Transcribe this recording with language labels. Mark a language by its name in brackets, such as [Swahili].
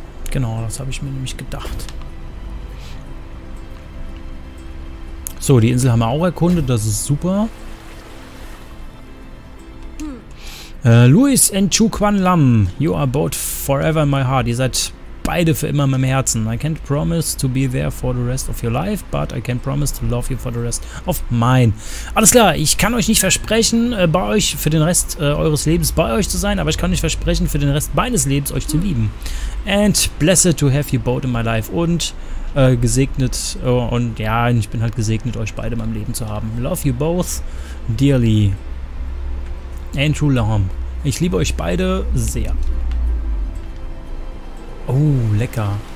[German] Genau, das habe ich mir nämlich gedacht. So, die Insel haben wir auch erkundet, das ist super. [English] Louis and Chu Quan Lam, you are both forever in my heart. [German] Ihr seid beide für immer in meinem Herzen. [English] I can't promise to be there for the rest of your life, but I can promise to love you for the rest of mine. [German] Alles klar, ich kann euch nicht versprechen, bei euch für den Rest eures Lebens bei euch zu sein, aber ich kann euch versprechen, für den Rest meines Lebens euch zu lieben. [English] And blessed to have you both in my life. [German] Und gesegnet, und ja, ich bin halt gesegnet, euch beide in meinem Leben zu haben. [English] Love you both dearly. Andrew Lam. [German] Ich liebe euch beide sehr. Oh, lecker.